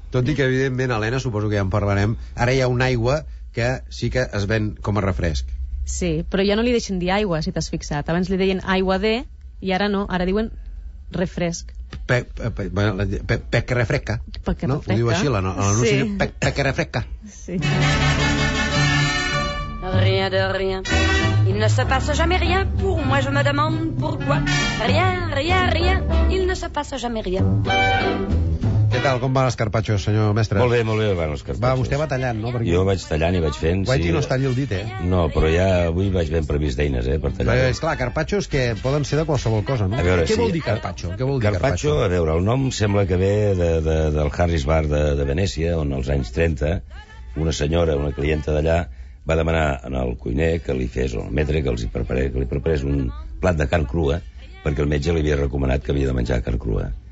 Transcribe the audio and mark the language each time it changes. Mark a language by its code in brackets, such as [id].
[ca] Tot i que, evidentment, Helena, suposo que ja en parlarem, ara hi ha una aigua que sí que es ven com a refresc. Sí, però ja no li deixen dir aigua, si t'has fixat. Abans li deien aigua de, i ara no, ara diuen refresc. Pec que refresca. Pec que refresca. Ho diu així, l'anunci, pec que refresca. Sí. [fr] Rien de rien. Il ne se passe jamais rien, pour moi je me demande pourquoi. Rien, rien, rien, il ne se passe jamais rien. [ca] Què tal? Com van els carpaccios, senyor mestre? Molt bé van els carpaccios. Va, vostè va tallant, no? Perquè... Jo vaig tallant i vaig fent, guaiti, sí. Guaiti, no es talli el dit, eh? No, però ja avui vaig ben previst d'eines, per tallar. Però, esclar, carpaccios que poden ser de qualsevol cosa, no? A veure, què sí. Què vol dir carpaccio? Què vol dir carpaccio? Carpaccio, a veure, el nom sembla que ve del Harris Bar de Venècia, on als anys 30 una senyora, una clienta d'allà, va demanar al cuiner que li fes, o al metre, que li preparés un plat de carn crua, perquè el metge li havia recomanat que havia de menjar carn crua.